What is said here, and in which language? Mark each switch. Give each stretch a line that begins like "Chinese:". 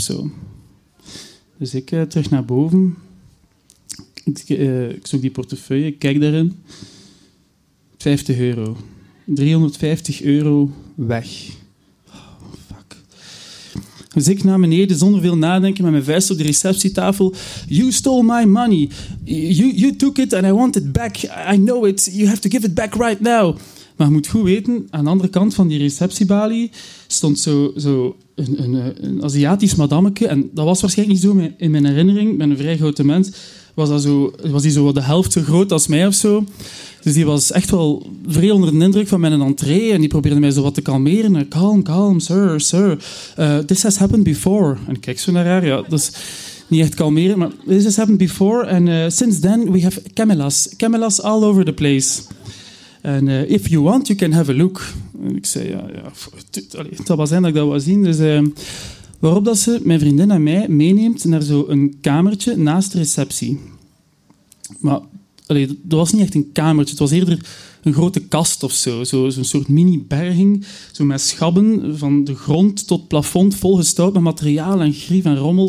Dutch: Zo. Dus ik terug naar boven. Ik zoek die portefeuille, ik kijk daarin. €50. €350 weg. Oh, fuck. Dus ik naar beneden, zonder veel nadenken, met mijn vuist op de receptietafel.
English: You stole my money. You took it and I want it back. I know it. You have to give it back right now.
Dutch: Maar je moet goed weten, aan de andere kant van die receptiebalie stond zo een Aziatisch madammeke. En dat was waarschijnlijk niet zo in mijn herinnering. Ik ben een vrij grote mens. Was die zo de helft zo groot als mij of zo. Dus die was echt wel vrij onder de indruk van mijn entree. En die probeerde mij zo wat te kalmeren.
English: Calm, sir. This has happened before.
Dutch: En ik kijk zo naar haar. Ja, dus niet echt kalmeren, maar this has happened before.
English: And since then we have camelas all over the place. En if you want, you can have a look.
Dutch: En ik zei, het zal wel zijn dat ik dat wou zien. Dus waarop dat ze mijn vriendin en mij meeneemt naar zo'n kamertje naast de receptie. Maar dat was niet echt een kamertje, het was eerder een grote kast of zo. Zo'n soort mini-berging, zo met schabben van de grond tot plafond, volgestouwd met materiaal en grief en rommel.